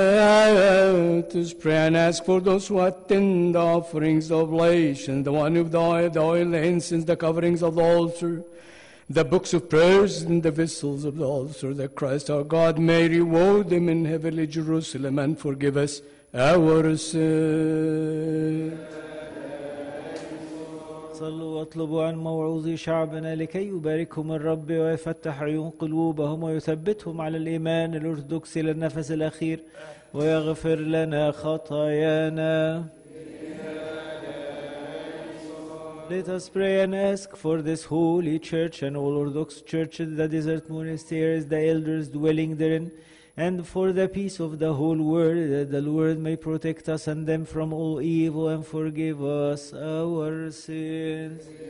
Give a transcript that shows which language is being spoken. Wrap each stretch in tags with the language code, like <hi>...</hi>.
<en>Let us pray and ask for those who attend the offerings of oblation, the one of the oil, the oil, the incense, the coverings of the altar, the books of prayers, and the vessels of the altar, that Christ our God may reward them in heavenly Jerusalem and forgive us our sins.</en> <ar>صلوا واطلبوا عن موعوظي شعبنا لكي يباركهم الرب ويفتح عيون قلوبهم ويثبتهم على الإيمان الأرثوذكسي للنفس الأخير ويغفر لنا خطايانا.</ar> <en>Let us pray and ask for this holy church and all Orthodox churches, the desert monasteries, the elders dwelling therein, and for the peace of the whole world, that the Lord may protect us and them from all evil and forgive us our sins.</en>